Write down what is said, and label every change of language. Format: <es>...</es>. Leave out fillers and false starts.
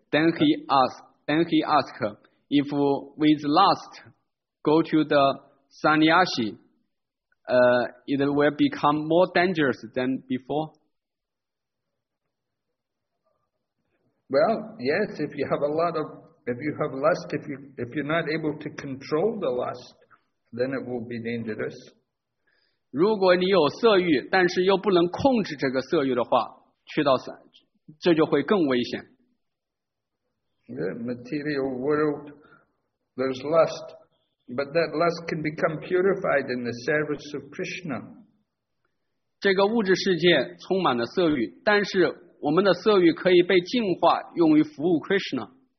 <en>Then he asked, if with lust,go to the sannyasi, it will become more dangerous than before? Well, yes, if you have lust, if you're not able to control the lust, then it will be dangerous.</en> <zh>如果你有色欲，但是又不能控制这个色欲的话，去到散，这就会更危险。</zh> <en>The material world There's lust, but that lust can become purified in the service of Krishna.</en> <zh>这个物质世界充满了色欲，但是我们的色欲可以被净化，用于服务 Krishna。</zh>